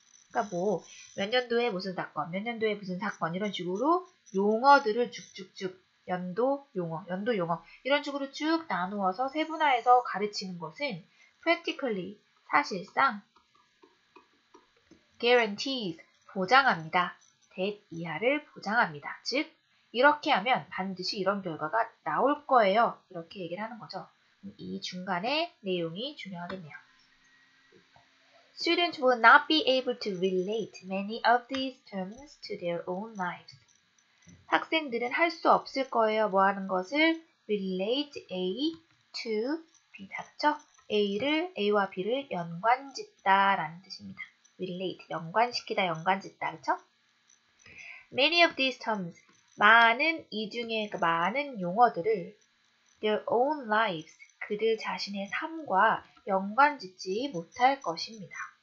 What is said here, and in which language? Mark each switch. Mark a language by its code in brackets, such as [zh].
[ko] 그러니까 뭐몇 년도에 무슨 사건, 몇 년도에 무슨 사건 이런 식으로 용어들을 쭉쭉쭉 연도 용어, 연도 용어 이런 식으로 쭉 나누어서 세분화해서 가르치는 것은 practically 사실상 guarantees 보장합니다. that 이하를 보장합니다. 즉 이렇게 하면 반드시 이런 결과가 나올 거예요. 이렇게 얘기를 하는 거죠. 이 중간에 내용이 중요하겠네요. [en] Students will not be able to relate many of these terms to their own lives. [ko] 학생들은 할수 없을 거예요. 뭐 하는 것을? relate A to B. 다 그렇죠? A를, A와 B를 연관짓다라는 뜻입니다. relate, 연관시키다, 연관짓다. 그렇죠? many of these terms, 많은 이 중에 그 많은 용어들을 their own lives, 그들 자신의 삶과 연관짓지 못할 것입니다.